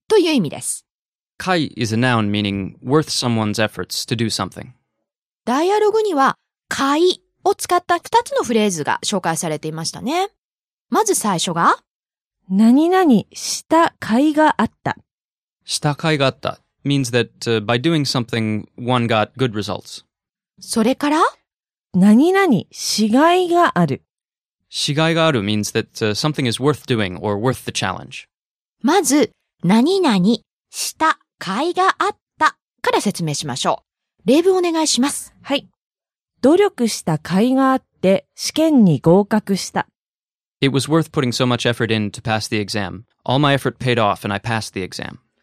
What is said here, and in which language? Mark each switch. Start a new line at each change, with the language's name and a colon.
Japanese: という意味です。
English: 買い is a noun meaning worth someone's efforts to do something.
Japanese: ダイアログには買いを使った2つのフレーズが紹介されていましたね。まず最初が何々した甲斐があった。した甲斐があった。
English: means that by doing something, one got good results.
Japanese: それから何々しがいがある。
English: しがいがある means that something is worth doing or worth the challenge.
Japanese: まず、何々した甲斐があったから説明しましょう。例文お願いします。はい。努力した甲斐があって試験に合格した。
English: It was worth putting so much effort in to pass the exam. All my effort paid off and I passed the exam.